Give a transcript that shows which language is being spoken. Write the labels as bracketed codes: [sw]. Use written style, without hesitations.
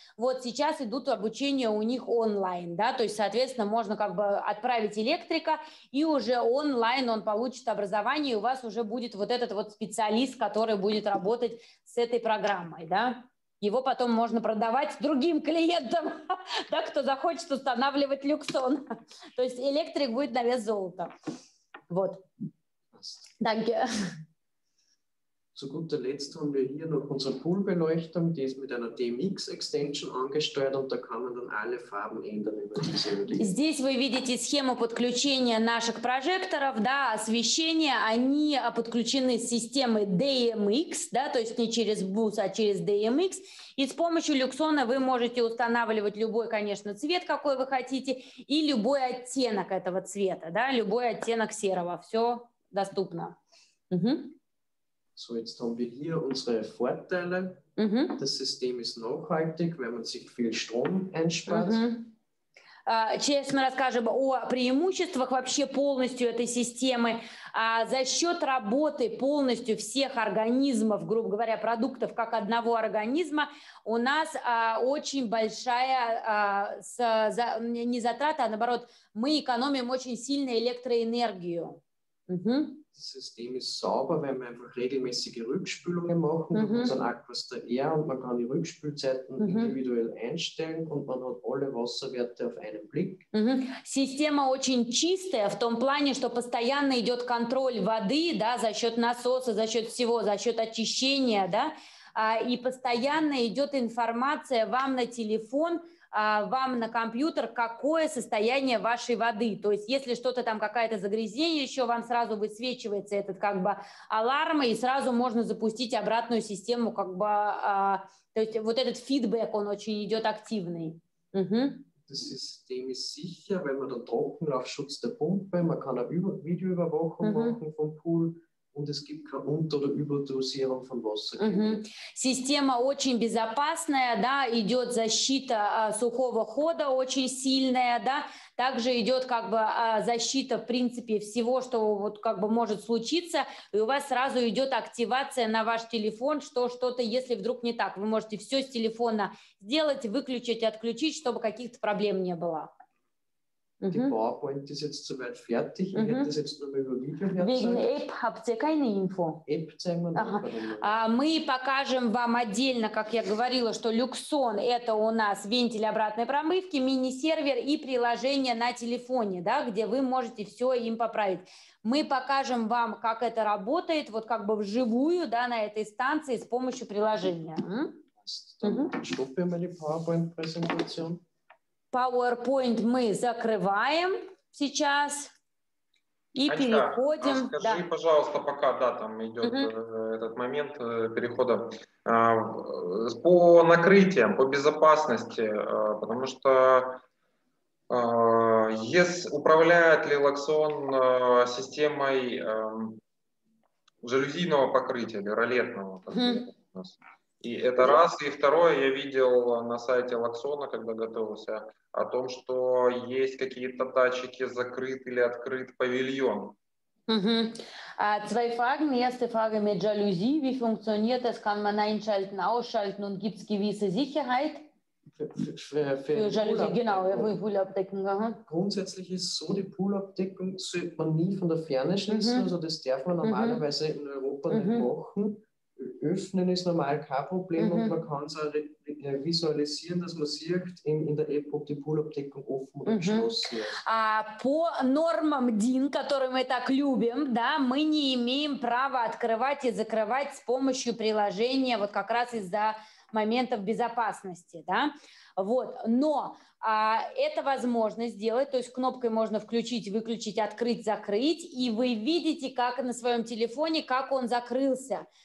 [ru] Вот сейчас идут обучения у них онлайн, да, то есть, соответственно, можно как бы отправить электрика, и уже онлайн он получит образование, и у вас уже будет вот этот вот специалист, который будет работать с этой программой, да. Его потом можно продавать другим клиентам, да, кто захочет устанавливать Luxon. То есть электрик будет на вес золота. Вот. Спасибо. [de] Zu guter Letzt haben wir hier noch unsere Poolbeleuchtung, die ist mit einer DMX-Extension angesteuert und da kann man dann alle Farben ändern über diese LED. [ru] Здесь вы видите схему подключения наших прожекторов, да, освещение, они подключены с системой DMX, да, то есть не через Bose, а через DMX. И с помощью Люксона вы можете устанавливать любой, конечно, цвет, какой вы хотите, и любой оттенок этого цвета, да, любой оттенок серого, все доступно. Угу. [de] So, jetzt haben wir hier unsere Vorteile. Mm-hmm. Das System ist nachhaltig, wenn man sich viel Strom einspart. Mm-hmm. [ru] Сейчас мы расскажем о преимуществах вообще полностью этой системы. За счет работы полностью всех организмов, грубо говоря, продуктов как одного организма, у нас очень большая не затрата, а наоборот, мы экономим очень сильно электроэнергию. Mm-hmm. [de] Das System ist sauber, wenn wir einfach regelmäßige Rückspülungen machen. Mhm. Unser Aquas der R und man kann die Rückspülzeiten mhm. individuell einstellen und man hat alle Wasserwerte auf einen Blick. Mhm. [ru] Система очень чистая в том плане, что постоянно идет контроль воды, да, за счет насоса, за счет всего, за счет очищения, да, и постоянно идет информация вам на телефон. Вам на компьютер, какое состояние вашей воды. То есть, если что-то там, какое-то загрязнение еще, вам сразу высвечивается этот как бы аларм, и сразу можно запустить обратную систему, как бы, то есть, вот этот фидбэк, он очень идет активный. Угу. [de] Das System ist sicher, wenn man dann Trockenlaufschutz der Pumpe, man kann eine Videoüberwachung mhm. machen vom Pool, und es gibt keine Unter- oder Überdosierung von Wasser. Mm-hmm. [ru] Система очень безопасная, да, идет защита сухого хода очень сильная, да, также идет как бы защита, в принципе, всего, что вот как бы может случиться, и у вас сразу идет активация на ваш телефон, что что-то, если вдруг не так, вы можете все с телефона сделать, выключить, отключить, чтобы каких-то проблем не было. [de] Die PowerPoint ist jetzt soweit fertig. Ich hätte es jetzt nur mal über Video herzeigen. Wegen App habt ihr keine Info. App zeigen wir noch. [ru] Мы покажем вам отдельно, как я говорила, что Люксон – это у нас вентиль обратной промывки, мини-сервер и приложение на телефоне, да, где вы можете все им поправить. Мы покажем вам, как это работает, вот как бы вживую, да, на этой станции с помощью приложения. Стопим мы PowerPoint-презентацию. PowerPoint мы закрываем сейчас и Анька, переходим. Скажи, да. Пожалуйста, пока да, там идет uh-huh. этот момент перехода. По накрытиям, по безопасности, потому что управляет ли Лаксон системой жалюзийного покрытия или ролетного? Uh-huh. И это раз. И второе, я видел на сайте Лаксона, когда готовился, о том, что есть какие-то датчики, закрыт или открыт павильон. [de] Zwei Fragen. Erste Frage mit Jalousie. Wie funktioniert das? Kann man einschalten, ausschalten und gibt es gewisse Sicherheit? Für Jalousie, genau, für Poolabdeckung. Grundsätzlich ist so, die Poolabdeckung sollte man nie von der Ferne schließen. Also das darf man normalerweise in Europa nicht machen. Öffnen ist normal kein Problem mhm. und man kann es auch visualisieren, dass man sieht in der App, ob die Poolabdeckung offen oder geschlossen ist. [ru] По нормам DIN, которые мы так любим, да, мы не имеем права открывать и закрывать с помощью приложения, вот как раз из-за моментов безопасности, да. Вот, но это возможно сделать, то есть кнопкой можно включить, выключить, открыть, закрыть, и вы видите, как на своем телефоне, как он закрылся.